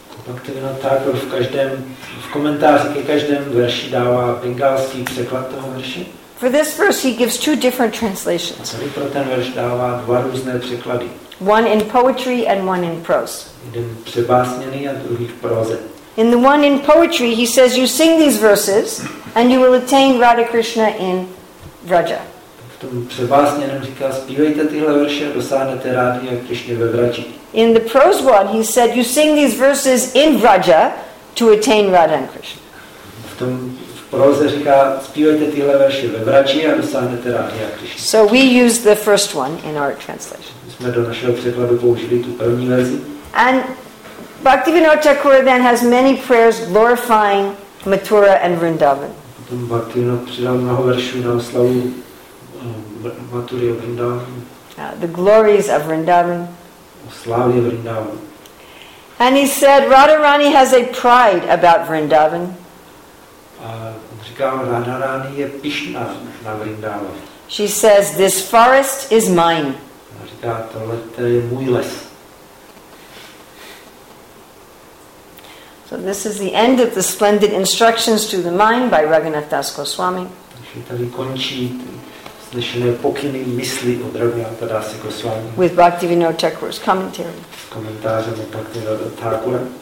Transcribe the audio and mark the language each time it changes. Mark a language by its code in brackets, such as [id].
[cs] Bhaktivinoda Thakur v komentáři ke každému verši dává bengalský překlad toho verše. [en] For this verse he gives two different translations. [cs] A pro ten verš dává dva různé překlady. [en] One in poetry and one in prose. [cs] Jeden přebásněný a druhý v proze. [en] In the one in poetry he says you sing these verses and you will attain Radha Krishna in Vraja. [cs] V tom přebásněném říká zpívejte tyhle verše a dosáhnete Rádhy a Krišny ve Vraji. [en] In the prose one he said you sing these verses in Vraja to attain Radha and Krishna. [cs] V tom proze říká zpívejte tyhle verše ve Vraji a dosáhnete Rádhy a Krišny. [en] So we use the first one in our translation. [cs] Jsme do našeho překladu použili tu první verzi. [en] And Bhaktivinoda Thakura then has many prayers glorifying Mathura and Vrindavan. [cs] Potom Bhaktivinoda přidal mnoho veršů na oslavu Mathury a Vrindavan. [en] The glories of Vrindavan. [cs] Oslávy Vrindavan. [en] And he said Radharani has a pride about Vrindavan. [cs] A říkal Radharani je pyšná na Vrindavan. [en] She says this forest is mine. [cs] A říká tohle to je můj les. [en] So this is the end of the splendid instructions to the mind by Raghunath Das Goswami. [cs] Tady končí slyšené pokyny mysli od Raghunatha Dasa Goswami. [en] With Bhaktivinoda Thakura's commentary. [cs] S komentářem Bhaktivinoda Thakura.